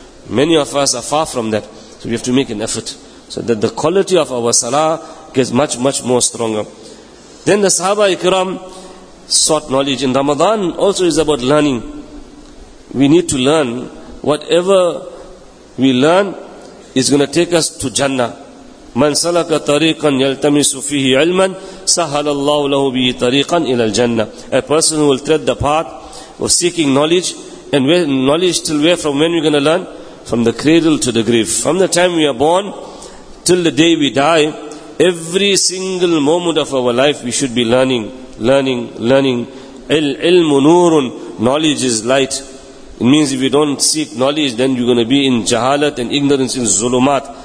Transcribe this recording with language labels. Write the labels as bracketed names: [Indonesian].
[English] Many of us are far from that. So we have to make an effort so that the quality of our salah gets much, much more stronger. Then the sahaba ikram sought knowledge. In Ramadan also is about learning. We need to learn. Whatever we learn is going to take us to Jannah. [Arabic] مَنْ سَلَكَ طَرِيقًا يَلْتَمِسُ فِيهِ عِلْمًا سَهَلَ اللَّهُ لَهُ بِهِ طَرِيقًا إِلَى الْجَنَّةِ. [English] A person who will tread the path of seeking knowledge. And where knowledge till where? From when we're going to learn? From the cradle to the grave. From the time we are born till the day we die, every single moment of our life we should be learning, learning, learning. [Arabic] الْعِلْمُ نُورٌ. [English] Knowledge is light. It means if you don't seek knowledge, then you're going to be in jahalat and ignorance, in zulumat.